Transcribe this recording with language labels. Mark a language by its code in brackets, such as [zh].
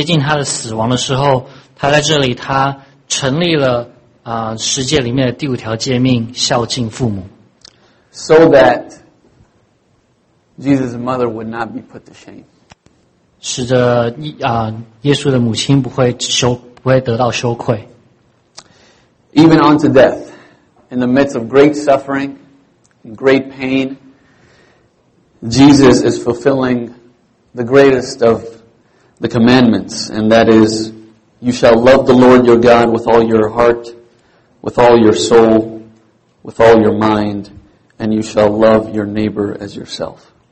[zh] 因为当耶稣他钉在十字架上接近他的死亡的时候, 他在这里他成立了十诫里面的第五条诫命,孝敬父母。 [en] So that Jesus' mother would not be put to shame. [zh] 使得耶稣的母亲不会得到羞愧。 [en] Even unto death, in the midst of great suffering, great pain, Jesus is fulfilling the greatest of the commandments, and that is, you shall love the Lord your God with all your heart, with all your soul, with all your mind, and you shall love your neighbor as yourself.